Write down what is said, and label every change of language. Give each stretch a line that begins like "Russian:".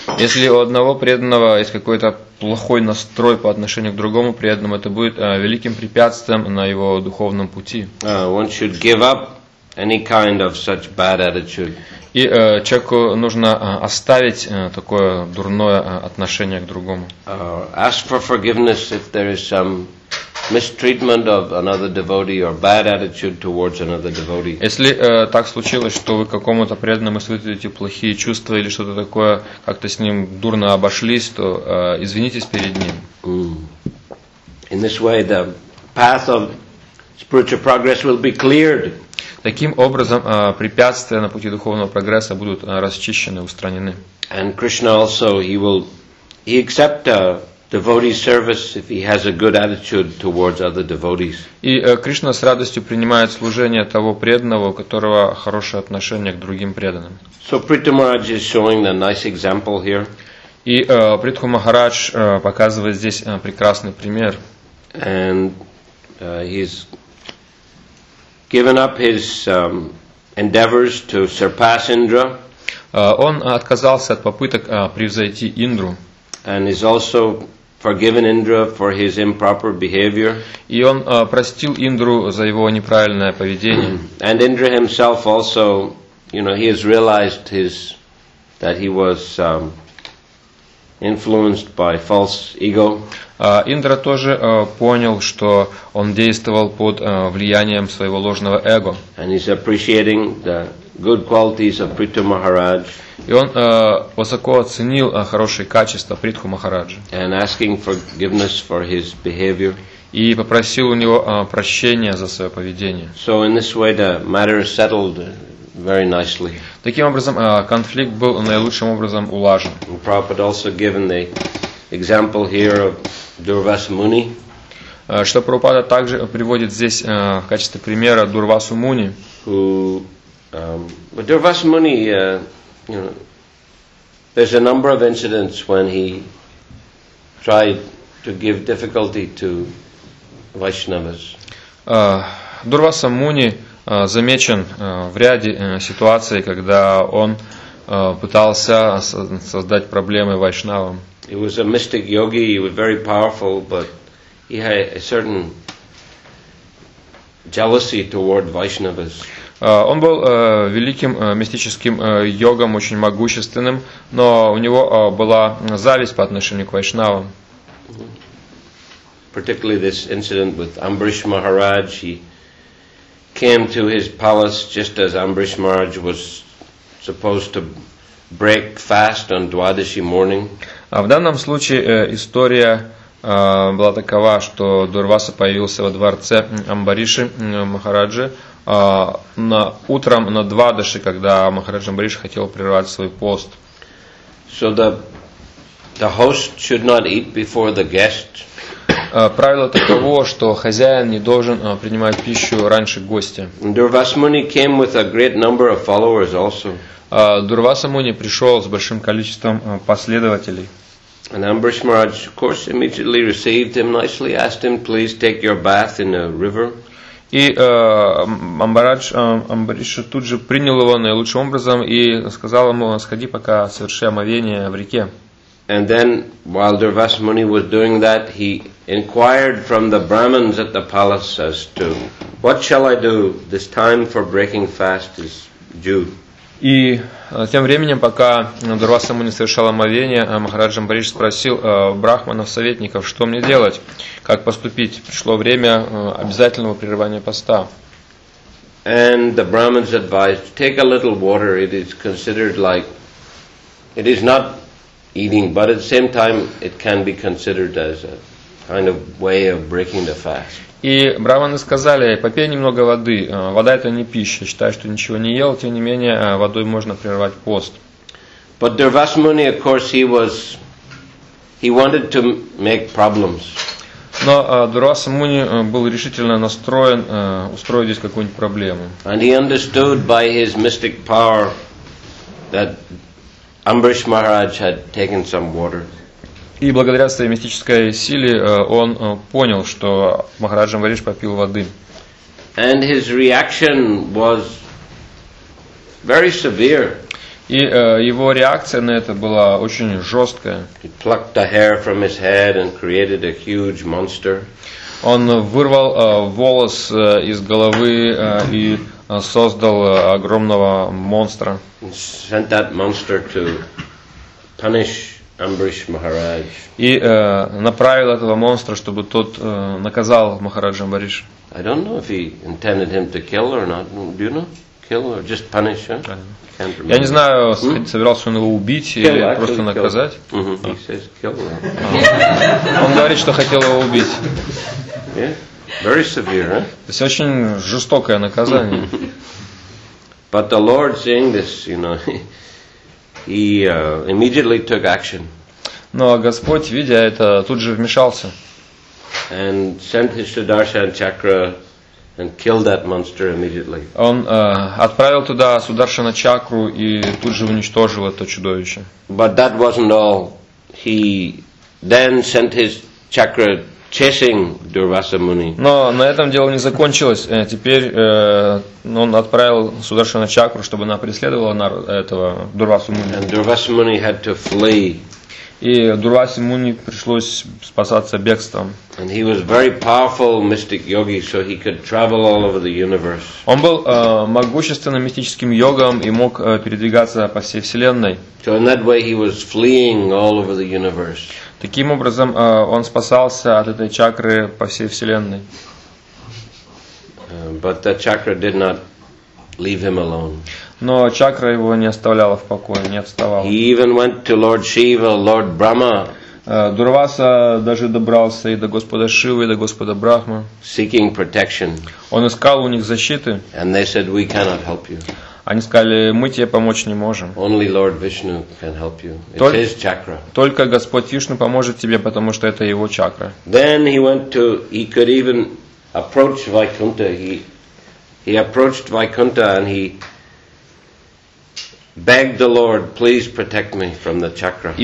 Russian: Если у одного преданного есть какой-то плохой настрой по отношению к другому преданному, это будет великим препятствием на его духовном пути.
English: One should give up any kind of such bad attitude.
Russian: И человеку нужно оставить такое дурное отношение к другому.
English: Ask for forgiveness if there is some mistreatment of another devotee or bad attitude towards another devotee.
Russian: Если так случилось, что вы какому-то преданному испытываете плохие чувства или что-то такое, как-то с ним дурно обошлись, то извинитесь перед ним.
English: In this way, the path of spiritual progress will be cleared.
Russian: Таким образом, препятствия на пути духовного прогресса будут расчищены, устранены.
English: And Krishna also, he will, he accept devotee's service if he has a good attitude towards other devotees.
Russian: И Кришна с радостью принимает служение того преданного, у которого хорошее отношение к другим преданным.
English: So Prithu Maharaj is showing a nice example here.
Russian: И Притху Махарадж показывает здесь прекрасный пример.
English: And he's given up his endeavors to surpass Indra.
Russian: Он отказался от попыток превзойти Индру.
English: And he's also forgiven Indra for his improper behavior.
Russian: И он простил Индру за его неправильное поведение.
English: And Indra himself also, you know, he has realized his that he was influenced by false ego.
Russian: Индра тоже понял, что он действовал под влиянием своего ложного эго.
English: And he's appreciating the good qualities of Prithu Maharaj.
Russian: И он высоко оценил хорошие качества Притху Махараджи.
English: And asking forgiveness for his behavior.
Russian: И попросил у него прощения за свое поведение.
English: So in this way the matter is settled. Very nicely.
Russian: Таким образом, конфликт был наилучшим образом улажен.
English: Prabhupada also given the example here of Durvasa Muni.
Russian: Что Прабхупада также приводит здесь в качестве примера Дурвасу Муни.
English: Who, but Durvasa Muni, you know, there's a number of incidents when he tried to give difficulty to Vaishnavas.
Russian: Дурвасу Муни замечен в ряде ситуаций, когда он пытался создать проблемы вайшнавам.
English: He was a mystic yogi, he was very powerful, but he had a certain jealousy toward Vaishnavas.
Russian: Он был великим мистическим йогом, очень могущественным, но у него была зависть по отношению к вайшнавам.
English: Particularly this incident with Ambarish Maharaj, he came to his palace just as Ambarish Maharaj was supposed to break fast on Dwadashi morning.
Russian: В данном случае история была такова, что Дурваса появился во дворце Амбариши Махараджи на утром на Двадаши, когда Махарадж Амбариш хотел прервать свой пост.
English: So the host should not eat before the guest.
Russian: Правило таково, что хозяин не должен принимать пищу раньше гостя.
English: Durvasa Muni came with a great number of followers also.
Russian: Durvasa Muni пришел с большим количеством последователей.
English: And Ambarish Maharaj, of course, immediately received him nicely, asked him, please take your bath in a river.
Russian: И Амбариш тут же принял его наилучшим образом и сказал ему, сходи пока, соверши омовение в реке.
English: And then, while Durvasa Muni was doing that, he inquired from the Brahmins at the palace as to, what shall I do? This time for breaking fast is due.
Russian: И тем временем, пока Дурваса Муни совершал омовение, Махарадж Амбариш спросил брахманов, советников, что мне делать, как поступить. Пришло время обязательного прерывания поста.
English: And the Brahmins advised, take a little water, it is considered like, it is not eating, but at the same time, it can be considered as a kind of way of breaking the fast.
Russian: И брахманы сказали, попей немного воды. Вода это не пища. Считай, что ничего не ел, тем не менее, водой можно прервать пост.
English: But Durvasa Muni, of course, he wanted to make problems.
Russian: Но Дурваса Муни был решительно настроен устроить здесь какую-нибудь проблему.
English: And he understood by his mystic power that Ambarish Maharaj had taken some water.
Russian: И благодаря своей мистической силе он понял, что Махарадж Амбариш попил воды.
English: And his reaction was very severe.
Russian: И его реакция на это была очень жесткая.
English: He plucked the hair from his head and created a huge monster.
Russian: Он вырвал волос из головы и создал огромного монстра.
English: Sent that monster to punish Ambarish Maharaj.
Russian: И направил этого монстра, чтобы тот наказал Махараджа Амбариш.
English: I don't know if he intended him to kill or not. Do you know? Kill or just punish? Huh? Can't remember.
Russian: Я не знаю, собирался он его убить или просто наказать.
English: Mm-hmm. He says kill.
Russian: Он говорит, что хотел его убить.
English: Yeah, very severe, huh?
Russian: То есть очень жестокое наказание.
English: But the Lord, seeing this, you know, he immediately took action.
Russian: Ну а Господь, видя это, тут же вмешался.
English: And sent his Sudarshan Chakra and killed that monster immediately.
Russian: Он отправил туда Сударшана Чакру и тут же уничтожил это чудовище.
English: But that wasn't all. He then sent his Chakra chasing Durvasa Muni.
Russian: Но на этом дело не закончилось. Теперь он отправил Сударшана Чакру, чтобы она преследовала этого Дурвасу Муни.
English: And Durvasa Muni had to flee.
Russian: И Дурвасе Муни пришлось спасаться бегством.
English: And he was very powerful mystic yogi, so he could travel all over the universe.
Russian: Он был могущественным мистическим йогом и мог передвигаться по всей вселенной.
English: So in that way he was fleeing all over the universe.
Russian: Таким образом он спасался от этой чакры по всей вселенной.
English: But the chakra did not leave him alone.
Russian: Но чакра его не оставляла в покое, не отставала.
English: He even went to Lord Shiva, Lord Brahma.
Russian: Дурваса даже добрался и до Господа Шивы, и до Господа Брахмы.
English: Seeking protection.
Russian: Он искал у них защиты.
English: And they said, we cannot help you.
Russian: Они сказали, мы тебе помочь не можем.
English: Only Lord Vishnu can help you. It's his chakra.
Russian: Только Господь Вишну поможет тебе, потому что это его чакра.
English: Then he went to, he could even approach Vaikuntha. He approached Vaikuntha and he begged the Lord, please protect me from the chakra.